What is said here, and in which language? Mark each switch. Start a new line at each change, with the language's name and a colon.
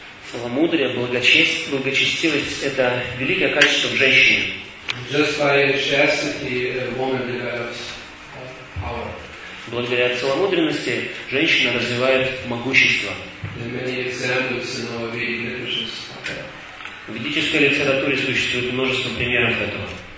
Russian: Целомудрие, благочестивость — это великое качество в женщине.
English: Just by chastity, a woman develops power.
Russian: Благодаря целомудренности женщина развивает могущество.
English: There are many examples in our Vedic literature.
Russian: В ведической литературе существует множество примеров этого.